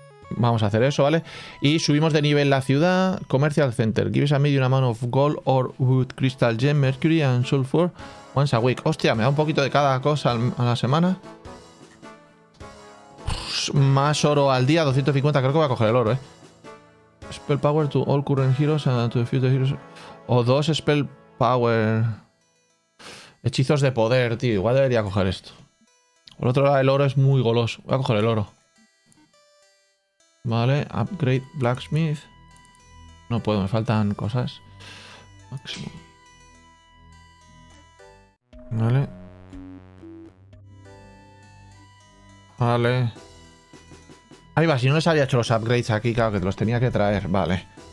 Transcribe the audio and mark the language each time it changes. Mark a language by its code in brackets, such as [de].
[es] Vamos a hacer eso, ¿vale? Y subimos de nivel la ciudad. [en] Commercial Center. Gives a medium amount of gold or wood, crystal gem, mercury and sulfur once a week. [es] Hostia, me da un poquito de cada cosa a la semana. Más oro al día, 250. Creo que voy a coger el oro, ¿eh? [en] Spell power to all current heroes and to the future heroes. [es] O dos spell power. Hechizos de poder, tío. Igual debería coger esto. Por otro lado, el oro es muy goloso. Voy a coger el oro. Vale, upgrade blacksmith. No puedo, me faltan cosas. Máximo. Vale. Vale. Ahí va, si no les había hecho los upgrades aquí, claro, que te los tenía que traer, vale.